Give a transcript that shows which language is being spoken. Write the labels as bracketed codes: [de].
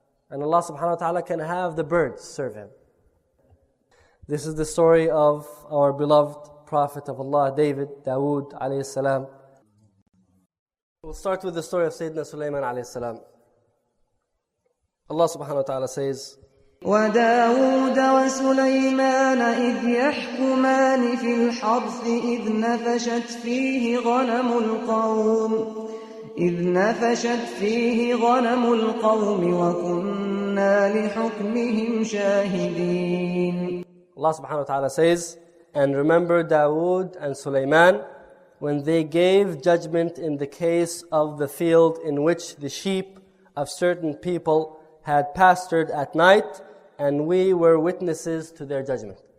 [en] And Allah subhanahu wa ta'ala can have the birds serve him. This is the story of our beloved Prophet of Allah, David, Dawood alayhi salam. We'll start with the story of Sayyidina Sulaiman alayhi salam. Allah subhanahu wa ta'ala says, [ar] وداود وسليمان إذ يحكمان في الحرث إذ نفشت فيه غنم القوم إذ نفشت فيه غنم القوم وكنا لحكمهم شاهدين. [en] Allah subhanahu wa ta'ala says, and remember Dawood and Sulaiman when they gave judgment in the case of the field in which the sheep of certain people had pastured at night, and we were witnesses to their judgment.